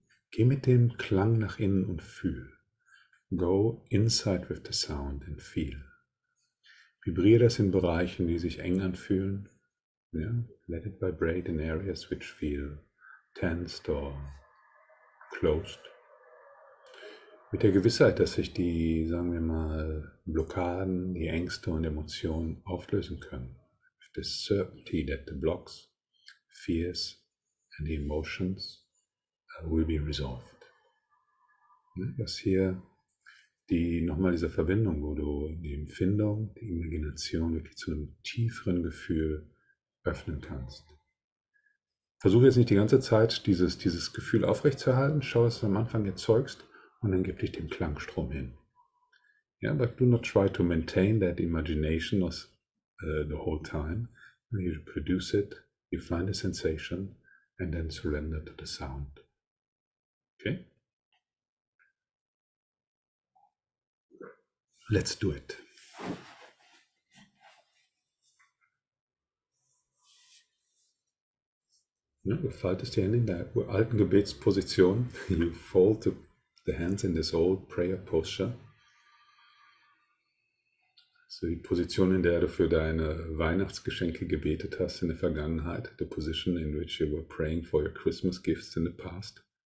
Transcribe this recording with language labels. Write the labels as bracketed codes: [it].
[de] Geh mit dem Klang nach innen und fühl. [en] Go inside with the sound and feel. [de] Vibriere das in Bereichen, die sich eng anfühlen. [en] Yeah. Let it vibrate in areas which feel tensed or closed. [de] Mit der Gewissheit, dass sich die, sagen wir mal, Blockaden, die Ängste und Emotionen auflösen können. [en] With the certainty that the blocks, fears and the emotions will be resolved. [de] Das hier die nochmal diese Verbindung, wo du die Empfindung, die Imagination wirklich zu einem tieferen Gefühl öffnen kannst. Versuche jetzt nicht die ganze Zeit dieses Gefühl aufrechtzuerhalten. Schau, was du am Anfang erzeugst und dann gib dich dem Klangstrom hin. [en] Ja, but do not try to maintain that imagination the whole time. You produce it, you find a sensation and then surrender to the sound. Okay? Let's do it. [de] Ne, du faltest die Hände in der alten Gebetsposition. [en] You fold the hands in this old prayer posture. [de] So die Position, in der du für deine Weihnachtsgeschenke gebetet hast in der Vergangenheit. [en] The position in which you were praying for your Christmas gifts in the past.